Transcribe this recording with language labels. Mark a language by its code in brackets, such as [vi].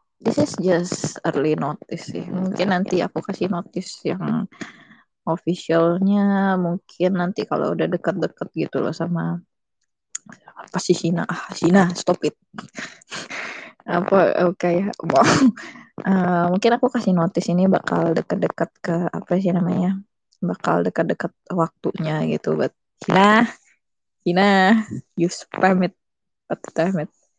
[en] This is just early notice sih. [id] Mungkin nanti aku kasih notice yang officialnya. Mungkin nanti kalau udah deket-deket gitu loh sama apa sih Shina? [en] Ah, Shina, stop it. Apa? Okay. [id] Mungkin aku kasih notice ini bakal deket-deket ke apa sih namanya? Bakal deket-deket waktunya gitu. [en] But Shina, you spam it. But damn it.